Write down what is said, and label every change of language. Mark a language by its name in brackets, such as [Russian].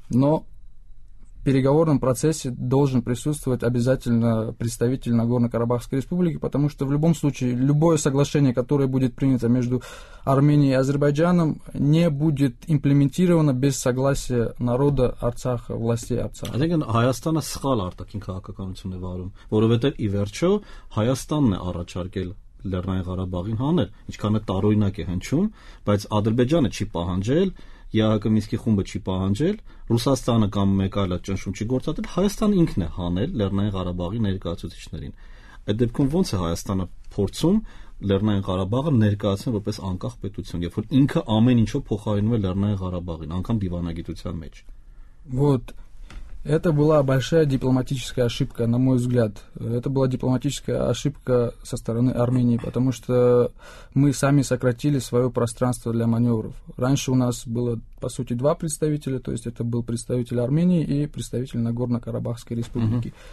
[Russian] Но в переговорном процессе должен присутствовать обязательно представитель Нагорно-Карабахской республики, потому что в любом случае любое соглашение, которое будет принято между Арменией и Азербайджаном, не будет имплементировано без согласия народа Арцаха, властей Арцаха. Я думаю, [Armenian] Хайастан схал артакин քաղաքականությունը վարում, որովհետև ի վերջո Հայաստանն է առաջարկել Լեռնային Ղարաբաղին հանել, ինչքան է տարօրինակ է հնչում, բայց Ադրբեջանը չի պահանջել, ԵԱՀԿ-ի Մինսկի խումբը չի պահանջել, Ռուսաստանը կամ մեկ այլ ճնշում չի գործադրել, Հայաստանը ինքն է հանել Լեռնային Ղարաբաղի ներկայացուցիչներին։ Այդ դեպքում ո՞նց է Հայաստանը փորձում Լեռնային Ղարաբաղը ներկայացնել որպես անկախ պետություն, երբ որ ինքը ամեն ինչով փոխարինում է Լեռնային Ղարաբաղին, անգամ դիվանագիտության մեջ։ [Russian] Вот это была большая дипломатическая ошибка, на мой взгляд. Это была дипломатическая ошибка со стороны Армении, потому что мы сами сократили свое пространство для маневров. Раньше у нас было, по сути, два представителя, то есть это был представитель Армении и представитель Нагорно-Карабахской республики.